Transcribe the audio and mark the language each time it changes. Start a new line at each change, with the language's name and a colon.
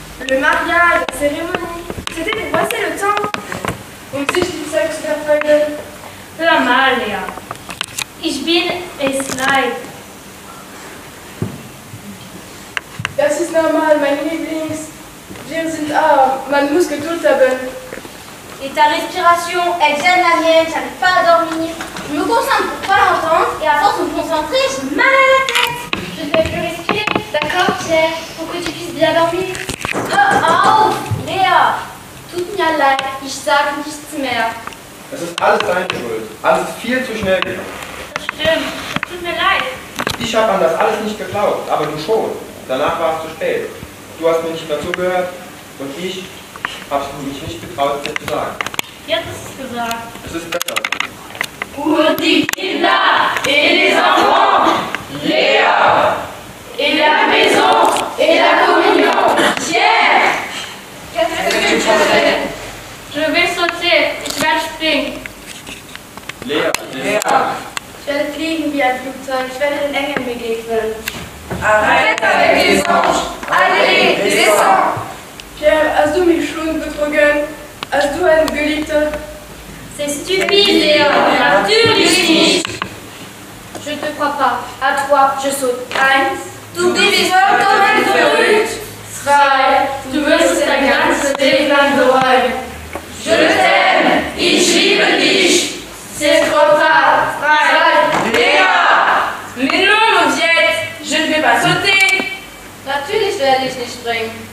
French: Le mariage, la cérémonie, c'était pour passer le temps.
German: Und sich die Zeit zu verfolgen. Hör mal, Lea. Ich bin es leid. Das ist normal, mein Lieblings. Wir sind arm, man muss Geduld haben.
French: Et ta respiration, elle vient de la mienne, j'arrive pas à dormir. Je me concentre pour pas l'entendre et à force de me concentrer, j'ai mal à la tête. Je ne vais plus respirer. D'accord, Pierre, pour que tu puisses bien dormir.
German: Hör auf, Lea! Tut mir leid, ich sag nichts mehr. Es ist alles deine Schuld. Alles ist viel zu schnell gegangen. Das stimmt, es tut mir leid. Ich habe an das alles nicht geglaubt, aber du schon. Danach war es zu spät. Du hast mir nicht mehr zugehört und ich habe mich nicht getraut, es dir zu sagen. Jetzt ist es gesagt. Es ist besser.
French: Pour
German: die Kinder
French: et les enfants, Lea! Et la maison et la communion, Pierre! Qu'est-ce que tu fais? Je vais sauter,
German: ich werde springen.
French: Lea, Lea!
German: Ich werde fliegen wie ein Flugzeug, ich werde den Engeln begegnen.
French: Arrête avec les anges, allez, descends!
German: Pierre, hast du mich schon betrogen? Hast du eine Geliebte?
French: C'est stupide, Lea,
German: natürlich nicht!
French: Je ne te crois pas, à toi, je saute.
German: Eins. Du bist schon
French: comme un
German: verrückt. Zwei. Du wirst dein ganzes Leben lang bereuen.
French: Je t'aime.
German: Ich liebe dich.
French: C'est trop tard.
German: Drei. Zwei. Lea.
French: Mais non, Mouviette. Je ne vais pas sauter.
German: Natürlich werde ich nicht springen.